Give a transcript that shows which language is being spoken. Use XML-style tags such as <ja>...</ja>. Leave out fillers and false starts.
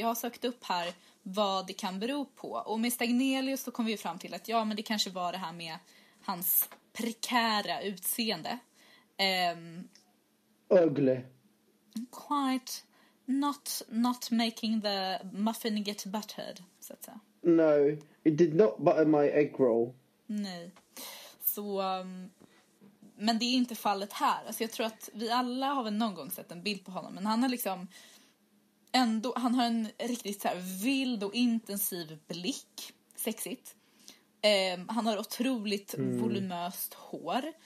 <sv>Jag har sökt upp här vad det kan bero på. Och med Stagnelius så kom vi ju fram till att ja, men det kanske var det här med hans prekära utseende.</sv> <en>Ugly. Quite... Not making the muffin get buttered, så att säga. No, it did not butter my egg roll.</en> <sv>Nej. Så, men det är inte fallet här. Alltså jag tror att vi alla har väl någon gång sett en bild på honom. Men han har liksom ändå, han har en riktigt så här vild och intensiv blick. Sexigt. Han har otroligt voluminöst hår.</sv>